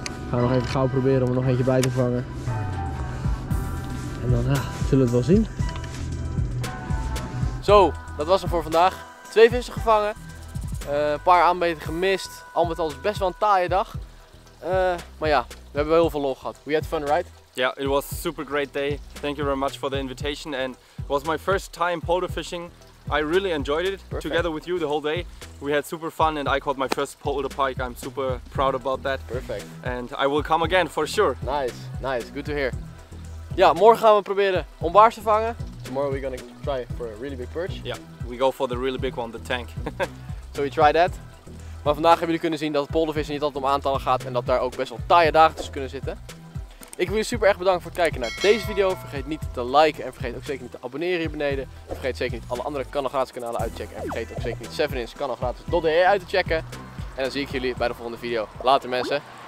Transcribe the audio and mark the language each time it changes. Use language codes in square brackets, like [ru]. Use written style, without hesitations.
[nl] Gaan we nog even gauw proberen om er nog eentje bij te vangen. En dan zullen we het wel zien. Zo, dat was hem voor vandaag. 2 vissen gevangen. Een paar aanbeten gemist. Al met al is best wel een taaie dag. Maar ja, we hebben wel heel veel lol gehad. [en] We had fun, right? Yeah, it was a super great day. Thank you very much for the invitation. And it was my first time polder fishing. I really enjoyed it. Perfect. Together with you the whole day. We had super fun and I caught my first polder pike. I'm super proud about that. Perfect. And I will come again for sure. Nice, nice. Good to hear. [nl] Ja, morgen gaan we proberen om baars te vangen. [en] Tomorrow we're gonna try for a really big perch. Yeah, we go for the really big one, the tank. So we try that. [nl] Maar vandaag hebben jullie kunnen zien dat het poldervissen niet altijd om aantallen gaat. En dat daar ook best wel taaie dagen tussen kunnen zitten. Ik wil jullie super erg bedanken voor het kijken naar deze video. Vergeet niet te liken en vergeet ook zeker niet te abonneren hier beneden. Vergeet zeker niet alle andere Kanaal Gratis kanalen uit te checken. En vergeet ook zeker niet 7inch kanaalgratis.de uit te checken. En dan zie ik jullie bij de volgende video. Later mensen.